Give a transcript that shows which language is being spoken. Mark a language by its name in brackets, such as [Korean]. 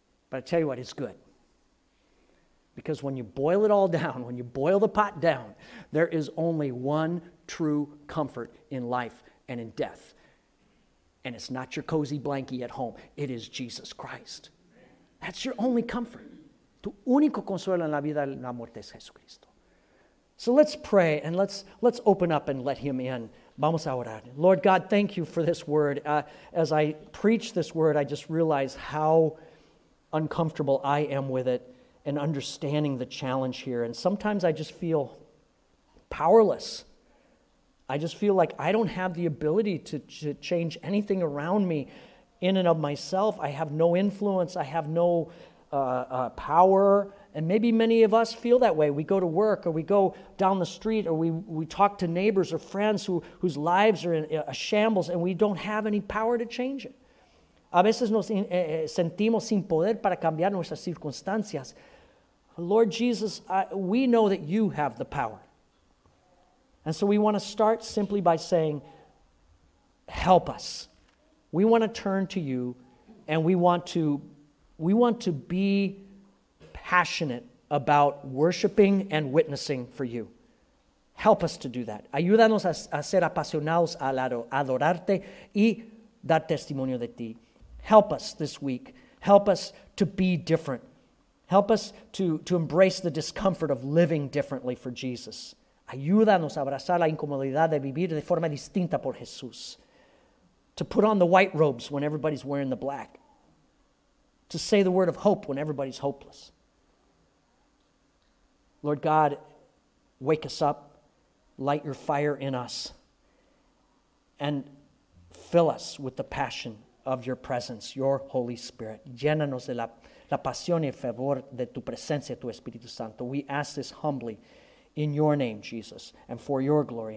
[English] But I tell you what, it's good. Because when you boil it all down, when you boil the pot down, there is only one true comfort in life and in death. And it's not your cozy blankie at home. It is Jesus Christ. That's your only comfort. [Spanish] Tu único consuelo en la vida y la muerte es Jesucristo. [English] So let's pray and let's open up and let him in. [Spanish] Vamos a orar. [English] Lord God, thank you for this word. As I preach this word, I just realize how uncomfortable I am with it and understanding the challenge here. And sometimes I just feel powerless. I just feel like I don't have the ability to change anything around me in and of myself. I have no influence. I have no power. And maybe many of us feel that way. We go to work or we go down the street or we talk to neighbors or friends whose lives are in a shambles and we don't have any power to change it. [Spanish] A veces nos sentimos sin poder para cambiar nuestras circunstancias. [English] Lord Jesus, we know that you have the power. And so we want to start simply by saying, help us. We want to turn to you and we want to be passionate about worshiping and witnessing for you. Help us to do that. [Spanish] Ayúdanos a ser apasionados a adorarte y dar testimonio de ti. [English] Help us this week. Help us to be different. Help us to embrace the discomfort of living differently for Jesus. [Spanish] Ayúdanos a abrazar la incomodidad de vivir de forma distinta por Jesús. [English] To put on the white robes when everybody's wearing the black. To say the word of hope when everybody's hopeless. Lord God, wake us up. Light your fire in us. And fill us with the passion of your presence, your Holy Spirit. [Spanish] Llénanos de la pasión y el fervor de tu presencia, tu Espíritu Santo. [English] We ask this humbly in your name, Jesus, and for your glory.